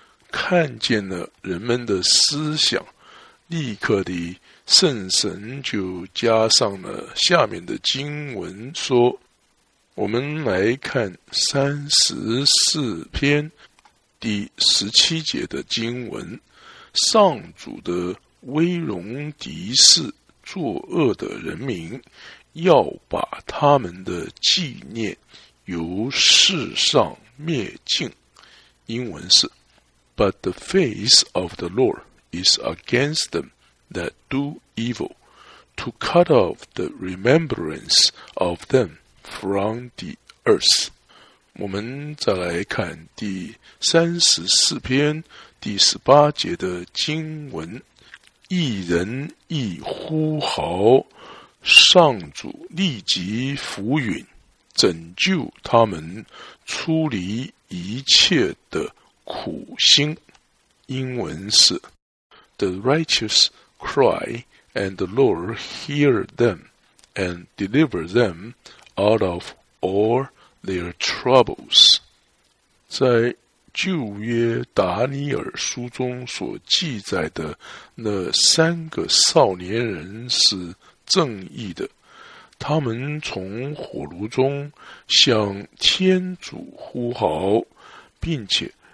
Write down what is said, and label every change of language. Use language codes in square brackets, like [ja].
[zh] 看见了人们的思想，立刻地圣神就加上了下面的经文说，我们来看34篇第17节的经文，上主的威荣敌视作恶的人民，要把他们的纪念由世上灭尽。 [en] 英文是 But the face of the Lord is against them that do evil, to cut off the remembrance of them from the earth. [zh] 我们再来看第34篇第18节的经文，一人一呼号，上主立即俯允，拯救他们出离一切的苦心。 [en] 英文是 The righteous cry, and the Lord hear them, and deliver them out of all their troubles. [zh] 在旧约达尼尔书中所记载的那三个少年人是正义的，他们从火炉中向天主呼号，并且